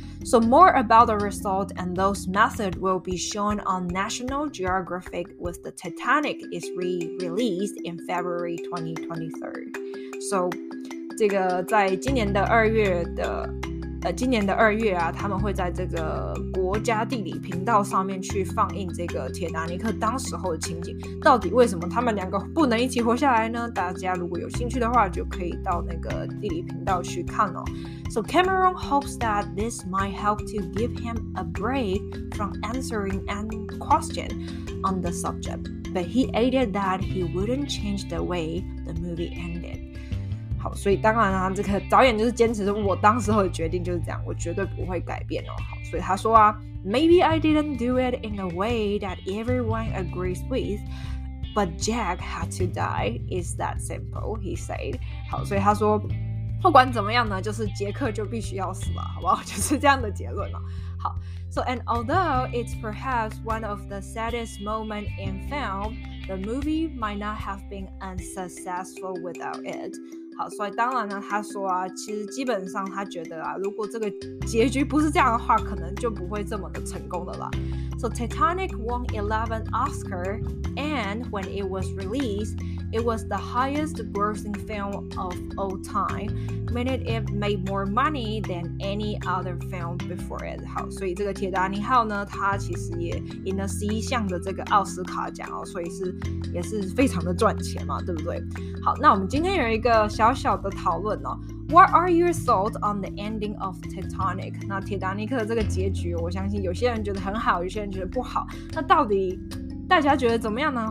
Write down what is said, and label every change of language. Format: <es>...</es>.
<en>So more about the result and those methods will be shown on National Geographic with the Titanic is re-released in February 2023. So.</en> <zh>这个在今年的二月的今年的二月啊，他们会在这个国家地理频道上面去放映这个铁达尼克当时候的情景，到底为什么他们两个不能一起活下来呢？大家如果有兴趣的话，就可以到那个地理频道去看哦。</zh> <en>So Cameron hopes that this might help to give him a break from answering any question on the subject, but he added that he wouldn't change the way the movie ended.</en> <zh>好，所以当然啊，这个导演就是坚持说，我当时候的决定就是这样，我绝对不会改变哦。好，所以他说啊</zh> <en>，Maybe I didn't do it in a way that everyone agrees with, but Jack had to die. It's that simple, he said.</en> <zh>好，所以他说，不管怎么样呢，就是杰克就必须要死了，好不好？就是这样的结论了。好</zh> <en>，So and although it's perhaps one of the saddest moments in film, the movie might not have been unsuccessful without it.</en> <zh>好，所以当然呢，他说啊，其实基本上他觉得啊，如果这个结局不是这样的话，可能就不会这么的成功了啦。</zh> <en>So Titanic won 11 Oscar, and when it was released, It was the highest grossing film of all time, meaning it made more money than any other film before it.</en> <zh>好，所以这个铁达尼号呢，它其实也赢了11项的这个奥斯卡奖哦，所以是也是非常的赚钱嘛，对不对？好，那我们今天有一个小小的讨论哦。</zh> <en>What are your thoughts on the ending of Titanic?</en> <zh>那铁达尼克的这个结局，我相信有些人觉得很好，有些人觉得不好。那到底大家觉得怎么样呢？</zh>